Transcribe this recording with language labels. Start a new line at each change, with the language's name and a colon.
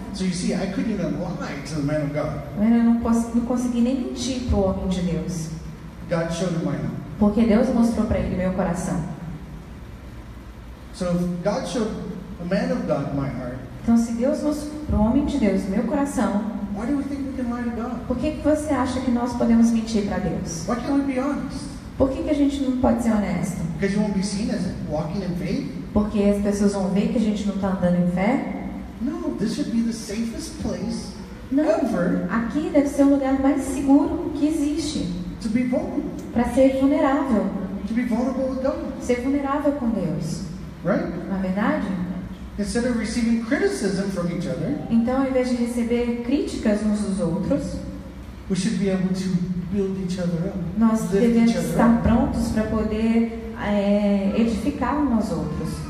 English: So you see, I couldn't even lie to the man of God.
Portuguese: Eu não consegui nem mentir pro homem de Deus.
English: God showed him my heart.
Portuguese: Porque Deus mostrou para ele meu coração.
English: So if God showed a man of God my heart.
Portuguese: Então se Deus mostrou pro homem de Deus meu coração.
English: Why do we think we can lie to God?
Portuguese: Por que você acha que nós podemos mentir para Deus?
English: Why can't we be honest?
Portuguese: Por que a gente não pode ser honesto?
English: Because you won't be seen as walking in faith.
Portuguese: Porque as pessoas vão ver que a gente não está andando em fé?
English: No, this should be the safest place
Portuguese: não,
English: ever.
Portuguese: Aqui deve ser o lugar mais seguro que existe.
English: To be vulnerable.
Portuguese: Para ser vulnerável.
English: To be vulnerable with God.
Portuguese: Ser vulnerável com Deus.
English: Right?
Portuguese: Na verdade.
English: Instead of receiving criticism from each other.
Portuguese: Então, ao invés de receber críticas uns dos outros.
English: We should be able to build each other up.
Portuguese: Nós devemos estar prontos para poder edificar uns aos outros.